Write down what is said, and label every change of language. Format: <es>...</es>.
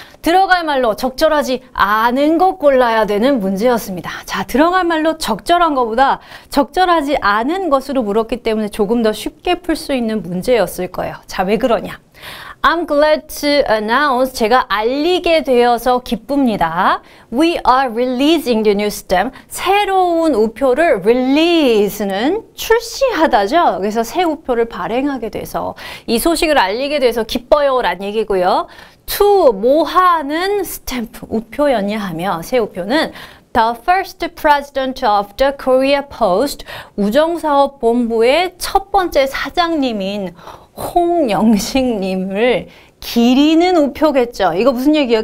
<ko>들어갈 말로 적절하지 않은 것 골라야 되는 문제였습니다. 자, 들어갈 말로 적절한 것보다 적절하지 않은 것으로 물었기 때문에 조금 더 쉽게 풀 수 있는 문제였을 거예요. 자, 왜 그러냐?</ko> <en>I'm glad to announce</en> <ko>제가 알리게 되어서 기쁩니다.</ko> <en>We are releasing the new stamp.</en> <ko>새로운 우표를 release는 출시하다죠. 그래서 새 우표를 발행하게 돼서 이 소식을 알리게 돼서 기뻐요 라는 얘기고요. To 뭐 하는 stamp 우표였냐 하면 새 우표는</ko> <en>The first president of the Korea Post</en> <ko>우정사업본부의 첫 번째 사장님인 홍영식님을 기리는 우표겠죠. 이거 무슨 얘기예요?</ko>